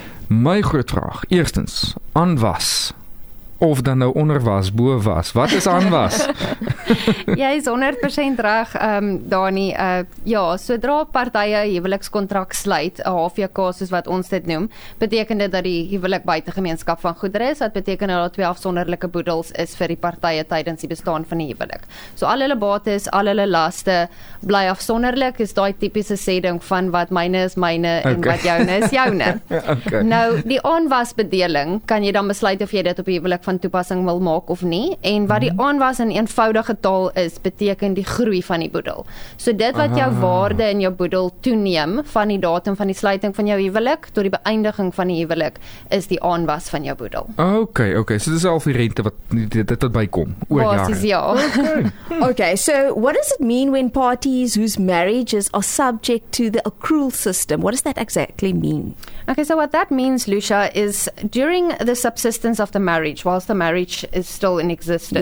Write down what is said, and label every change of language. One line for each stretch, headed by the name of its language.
Afrikaans: My groot vraag, eerstens, aanwas of dan nou onderwas, bo was. Wat is aanwas? Jy is 100% reg, Dani. Ja, sodra partye huwelikskontrak sluit, 'n HVK soos wat ons dit noem, beteken dit dat die huwelik buitegemeenskap van goedere is. Dat beteken dat daar twee afsonderlike boedels is vir die partye tydens die bestaan van die huwelik. So al hulle bates, al hulle laste bly afsonderlik. Is daai tipiese sê ding van wat myne is myne en okay, wat joune is joune. Okay. Nou, die aanwasbedeling, kan jy dan besluit of jy dit op die huwelik van toepassing wil maak of nie, en wat die aanwas in eenvoudige taal is, beteken die groei van die boedel. So dit wat jou waarde in jou boedel toeneem van die datum van die sluiting van jou huwelik tot die beëindiging van die huwelik is die aanwas van jou boedel. Okay, so dit is al die rente wat dit wat bykom oor jare. Basis, ja.
English: Okay, so what does it mean when parties whose marriages are subject to the accrual system, what does that exactly mean? Okay, so what that means, Lucia, is during the subsistence of the marriage, whilst the marriage is still in existence,